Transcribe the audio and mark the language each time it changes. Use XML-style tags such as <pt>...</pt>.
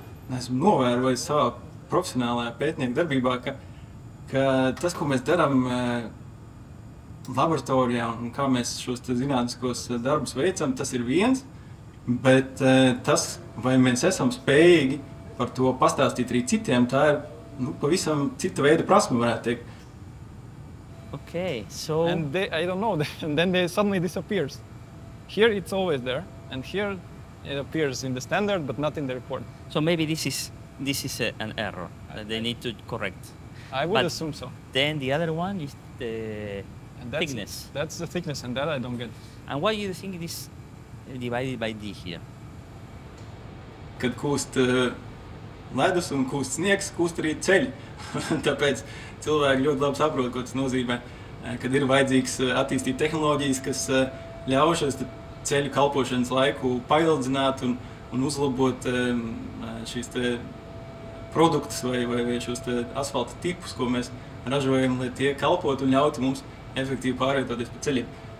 <lv>Esmu novērojis savā profesionālajā pētnieku darbībā, ka tas, ko mēs darām laboratorijā un kā mēs šos zinātniskos darbus veicam, tas ir viens, bet tas, vai mēs esam spējīgi par to pastāstīt arī citiem, tā ir Nu, pavisam cita veida prasme varētu teikt.</lv> <en>Okay, so... And they, I don't know, and then they suddenly disappears. Here it's always there, and here it appears in the standard, but not in the report. So maybe this is an error that they need to correct. I would assume so. Then the other one is the thickness. That's the thickness, and that I don't get. And why do you think this divided by D here?</en> <lv>Kad kūst... Ledus un kūst sniegs, kūst arī ceļ. Tāpēc cilvēki ļoti labi saprot, ko tas nozīmē, kad ir vajadzīgs attīstīt tehnoloģijas, kas ļaušas ceļu kalpošanas laiku paildzināt un uzlabot šīs produktus vai šos asfalta tipus, ko mēs ražojam, lai tie kalpotu un ļauti mums efektīvi pārvietoties pa ceļiem.</lv>